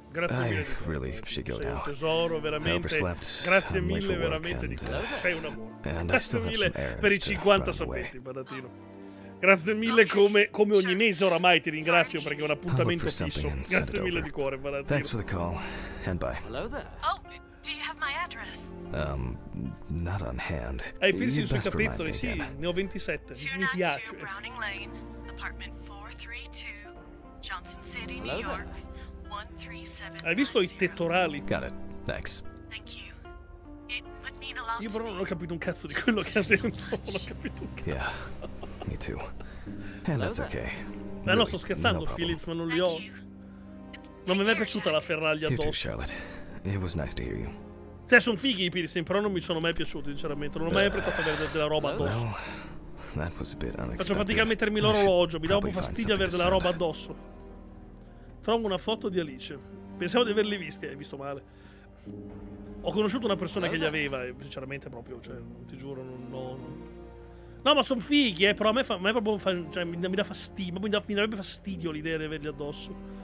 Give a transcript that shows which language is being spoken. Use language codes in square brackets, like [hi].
[it] Grazie mille di cuore. Sei un tesoro, veramente. Grazie mille veramente di cuore. Sei un amore. Grazie mille per i 50 sabbetti, Baratino. Grazie mille, come ogni mese oramai ti ringrazio perché è un appuntamento fisso. Grazie mille di cuore, Valentino. [en] Thanks for the call. And bye. Hello there. Oh, do you have my address? Not on hand. [it] Hai piercing sui capezzoli? Sì, ne ho 27. Mi piace. [en] 292 Browning Lane, apartment 432, Johnson City, New York, 137. [it] Hai visto i tettorali? [en] Got it. Thanks. Thank you. It would mean a lot. [it] Io però non ho capito un cazzo di quello che ha detto. Non ho capito un cazzo. [en] Yeah. Me too. And that's okay. [it] Ma no, sto scherzando, no Philip, ma non li ho. Non mi è mai piaciuta la ferraglia [en] addosso. You too, Charlotte. It was nice to hear you. [it] Cioè, sono fighi i piercing, però non mi sono mai piaciuti, sinceramente. Non ho mai preferito avere della roba addosso. Faccio fatica a mettermi l'orologio, mi dà un po' fastidio avere della roba addosso. Trovo una foto di Alice. Pensavo di averli visti, hai visto male. Ho conosciuto una persona che li aveva, e sinceramente proprio, cioè, non ti giuro, No, ma sono fighi, però mi dà fastidio, mi darebbe fastidio l'idea di averli addosso.